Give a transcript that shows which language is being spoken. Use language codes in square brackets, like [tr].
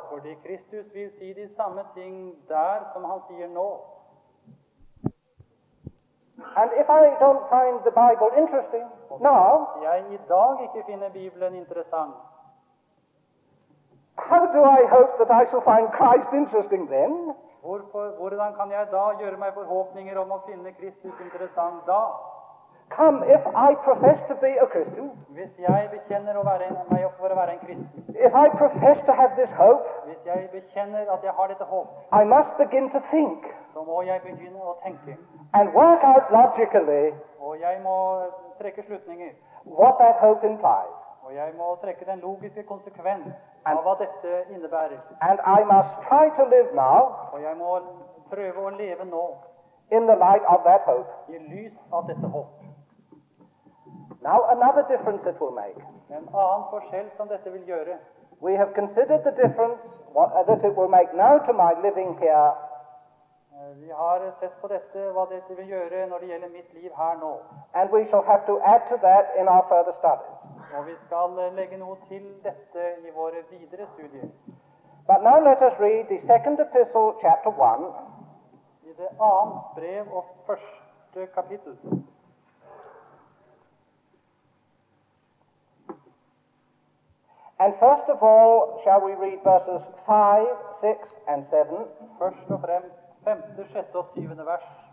[no] Fordi Kristus vil si de samme ting der som han sier nå. [en] And if I don't find the Bible interesting now, [no] jeg i dag ikke finner Bibelen interessant. [en] How do I hope that I shall find Christ interesting then? [no] Hvordan kan jeg da gjøre meg forhåpninger om å finne Kristus interessant da? [en] Come, if I profess to be a Christian, [no] hvis jeg bekjenner å være en, meg for å være en kristen, [en] if I profess to have this hope, [no] hvis jeg bekjenner at jeg har dette håp, [en] I must begin to think, [no] så må jeg begynne å tenke, [en] and work out logically, [no] og jeg må trekke slutninger, [en] what that hope implies, [no] og jeg må trekke den logiske konsekvens av hva dette innebærer, [en] and I must try to live now, [no] og jeg må prøve å leve nå, [en] in the light of that hope, [no] i lys av dette håp. [en] Now another difference it will make. [no] En annen forskjell som dette vil gjøre. [en] We have considered the difference that it will make now to my living here. [no] Vi har sett på dette, hva dette vil gjøre når det gjelder mitt liv her nå. [en] And we shall have to add to that in our further studies. [no] Og vi skal legge noe til dette i våre videre studier. [en] But now let us read the second epistle, chapter 1. [no] I det annet brev og første kapittel. [en] And first of all, shall we read verses 5, 6, and 7? [no] Først og fremst, femte, sjette og syvende vers.